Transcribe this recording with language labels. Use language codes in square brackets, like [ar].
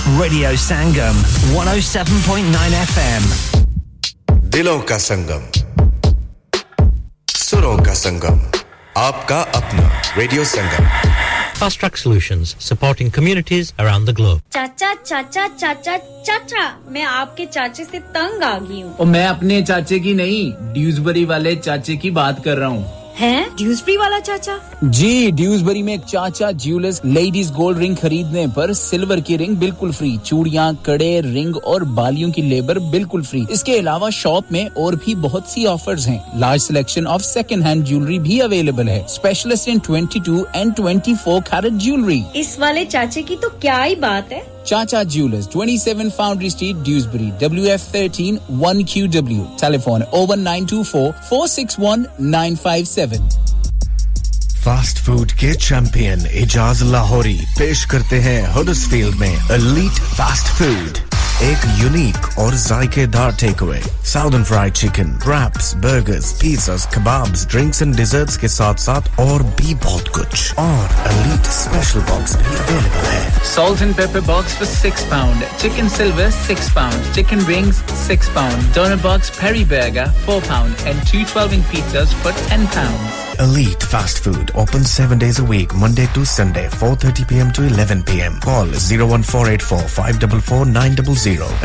[en] Radio Sangam, 107.9 FM. [hi] Dilon ka Sangam. Suron ka Sangam. Aapka apna Radio Sangam. [en] Fast Track Solutions, supporting communities around the globe. [hi] Chacha, chacha, chacha, chacha. मैं आपके चाचे से तंग आ गई हूँ. और मैं अपने चाचे की नहीं, Dewsbury वाले चाचे की बात कर रहा हूँ. हैं? Dewsbury वाला चाचा? जी, Dewsbury में एक चाचा Jewelers Ladies Gold Ring खरीदने पर सिल्वर की रिंग बिल्कुल फ्री, चूड़ियाँ, कड़े, रिंग और बालियों की लेबर बिल्कुल फ्री. इसके अलावा शॉप में और भी बहुत सी ऑफर्स हैं. [en] large selection of second hand jewellery [hi] भी अवेलेबल है. [en] Specialist in 22 and 24 carat jewellery. [hi] इस वाले चाचे की तो क्या ही बात है. [en] Chacha Jewelers, 27 Foundry Street, Dewsbury, WF13 1QW. Telephone 01924 461 957. [hi] Fast food के चैंपियन इजाज लाहौरी पेश करते हैं हडर्सफील्ड में एलीट फास्ट फूड एक यूनिक और जायकेदार takeaway [en] southern fried chicken wraps burgers pizzas kebabs drinks and desserts [hi] के साथ-साथ और भी बहुत कुछ और एलीट स्पेशल बॉक्स भी अवेलेबल है [en] salt and pepper box for £6 chicken silver £6 chicken wings £6 doner box peri burger £4 and 2 12 inch pizzas for £10 Elite Fast Food opens 7 days a week, Monday to Sunday, 4:30 p.m. to 11 p.m. Call 01484-544-900.